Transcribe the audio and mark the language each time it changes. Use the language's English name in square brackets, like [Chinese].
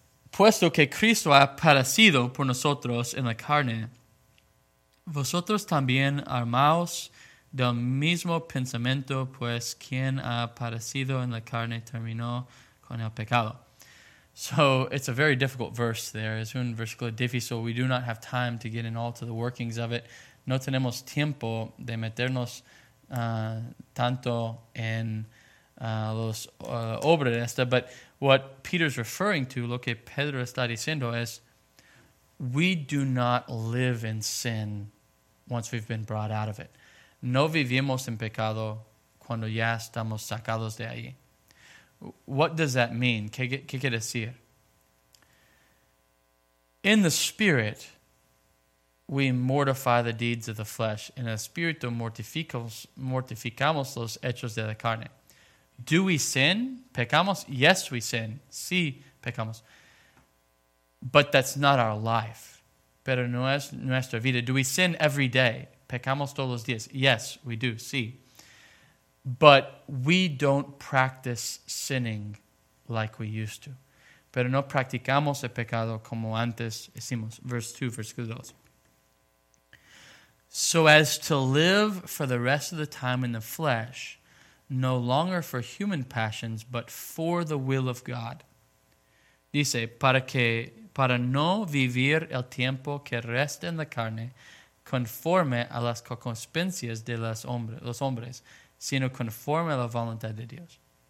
[Spanish] Puesto que Cristo ha padecido por nosotros en la carne, vosotros también armaos del mismo pensamiento, pues quien ha padecido en la carne terminó con el pecado. [English] So it's a very difficult verse there. [Spanish] Es un versículo difícil. [English] We do not have time to get in all to the workings of it. [Spanish] No tenemos tiempo de meternos tanto en los obras de esta. [English] But what Peter's referring to, [Spanish] lo que Pedro está diciendo es, [English] we do not live in sin once we've been brought out of it. [Spanish] No vivimos en pecado cuando ya estamos sacados de ahí. [English] What does that mean? [Spanish] ¿Qué quiere decir? [English] In the spirit, we mortify the deeds of the flesh. [Spanish] En el espíritu mortificamos los hechos de la carne. [English] Do we sin? [Spanish] ¿Pecamos? [English] Yes, we sin. [Spanish] Sí, pecamos. [English] But that's not our life. [Spanish] Pero no es nuestra vida. [English] Do we sin every day? [Spanish] Pecamos todos los días. [English] Yes, we do. Sí. But we don't practice sinning like we used to. [Spanish] Pero no practicamos el pecado como antes hicimos. [English] Verse 2, [Spanish] versículo 2. [English] So as to live for the rest of the time in the flesh, no longer for human passions, but for the will of God. [Spanish] Dice, para no vivir el tiempo que resta en la carne, conforme a las concupiscencias de los hombres, sino conforme a la voluntad de Dios.